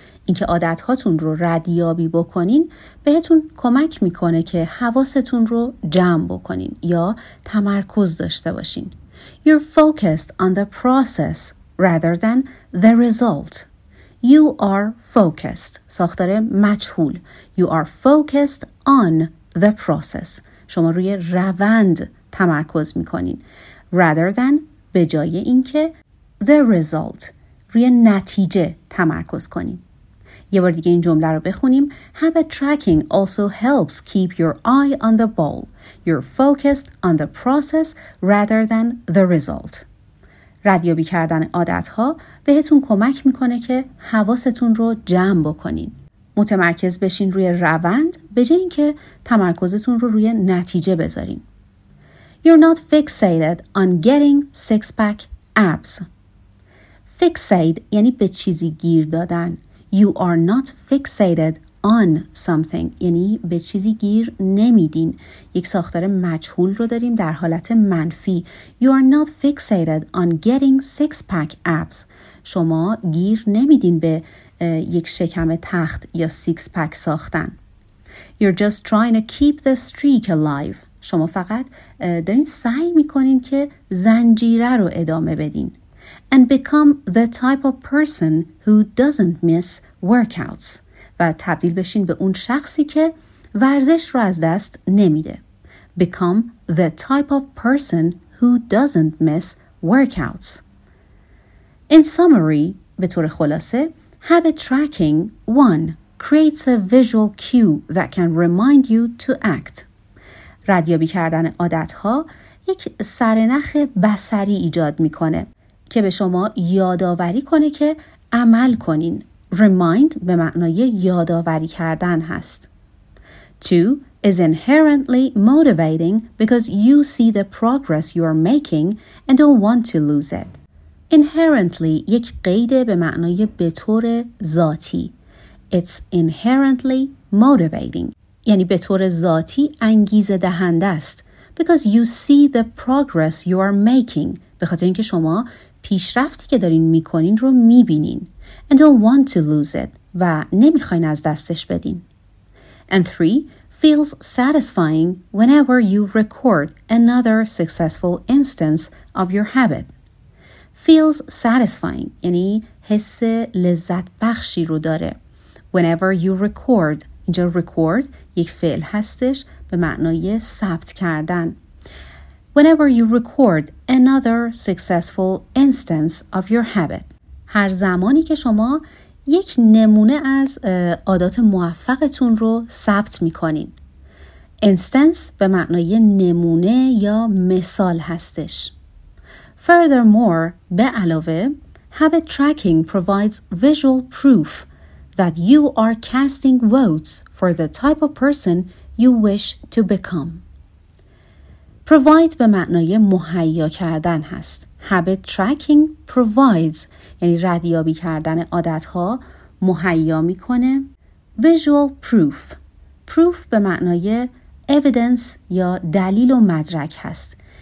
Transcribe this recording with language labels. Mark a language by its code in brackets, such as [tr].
[fa] اینکه عادت هاتون رو ردیابی بکنین بهتون کمک میکنه که حواستون رو جمع بکنین یا تمرکز داشته باشین. [en] You're focused on the process rather than the result. You are focused. [fa] ساختار مجهول. [en] You are focused on the process. [fa] شما روی روند تمرکز میکنین. [en] Rather than [fa] به جای اینکه [en] the result [fa] روی نتیجه تمرکز کنین. یه بار دیگه این جمله رو بخونیم. [en] Habit tracking also helps keep your eye on the ball. You're focused on the process rather than the result. [fa] ردیابی کردن عادت‌ها بهتون کمک می‌کنه که حواستون رو جمع بکنین. متمرکز بشین روی روند به جای اینکه تمرکزتون رو روی نتیجه بذارین. [en] You're not fixated on getting six-pack abs. [fa] Fixate یعنی به چیزی گیر دادن. [en] You are not fixated on something [fa] یعنی به چیزی گیر نمیدین. یک ساختار مجهول رو داریم در حالت منفی. [en] You are not fixated on getting six pack abs. [fa] شما گیر نمیدین به یک شکم تخت یا سیکس پک ساختن. [en] You're just trying to keep the streak alive. [fa] شما فقط دارین سعی میکنین که زنجیره رو ادامه بدین. [en] And become the type of person who doesn't miss workouts. [fa] و تبدیل بشین به اون شخصی که ورزش رو از دست نمیده. [en] Become the type of person who doesn't miss workouts. In summary, [fa] به طور خلاصه, [en] habit tracking 1. Creates a visual cue that can remind you to act. [fa] ردیابی کردن عادت‌ها یک سرنخ بصری ایجاد می‌کنه که به شما یادآوری کنه که عمل کنین. Remind به معنای یادآوری کردن هست. 2. [en] Is inherently motivating because you see the progress you are making and don't want to lose it. [fa] Inherently یک قید به معنای به طور ذاتی. [en] It's inherently motivating. [fa] یعنی به طور ذاتی انگیزه دهنده است. [en] Because you see the progress you are making. [fa] به خاطر اینکه شما پیشرفتی که دارین میکنین رو میبینین. [en] And don't want to lose it. [fa] و نمیخواین از دستش بدین. [en] And 3. Feels satisfying whenever you record another successful instance of your habit. Feels satisfying. [fa] یعنی حس لذت بخشی رو داره. [en] Whenever you record. [fa] اینجا record یک فعل هستش به معنای ثبت کردن. [en] Whenever you record another successful instance of your habit. [fa] هر زمانی که شما یک نمونه از عادات موفقتون رو ثبت میکنین. Instance به معنای نمونه یا مثال هستش. [en] Furthermore, [fa] به علاوه, [en] habit tracking provides visual proof that you are casting votes for the type of person you wish to become. [fa] Provide به معنای مهیا کردن هست. [en] Habit tracking provides [fa] یعنی ردیابی کردن عادتها مهیا میکنه. [en] Visual proof. [fa] Proof به معنای evidence یا دلیل و مدرک هست.